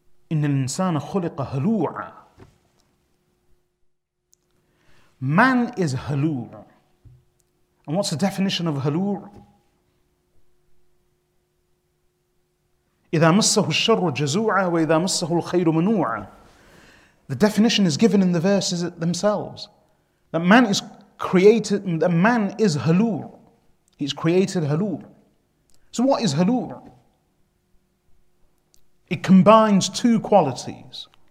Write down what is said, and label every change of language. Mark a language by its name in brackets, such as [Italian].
[Arabic] إِنَّ الْإِنسَانَ خُلِقَ هَلُوعًا. [English] Man is halur. And what's the definition of halur? [Arabic] إِذَا مَسَّهُ الشَّرُّ جَزُوعًا وَإِذَا مَسَّهُ الْخَيْرُ مَنُوعًا. [English] The definition is given in the verses themselves. That man is created, that man is halur. He's created halur. So what is halur? It combines two qualities.